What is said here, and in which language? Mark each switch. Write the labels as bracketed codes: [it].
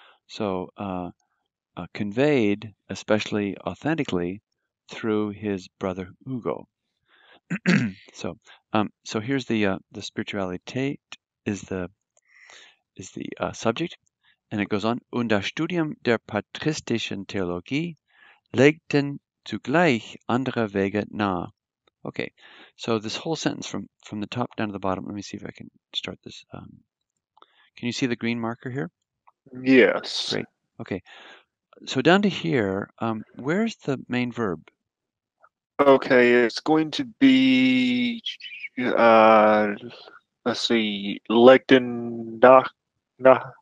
[en] So, conveyed, especially authentically, through his brother Hugo. So here's the spirituality is the subject, and it goes on. [de] Und das Studium der patristischen Theologie legten zugleich andere Wege nahe. [en] Okay, so this whole sentence from the top down to the bottom. Let me see if I can start this. Can you see the green marker here? Yes. Great. Okay, so down to here, where's the main verb? Okay, it's going to be let's see, lectin da nah.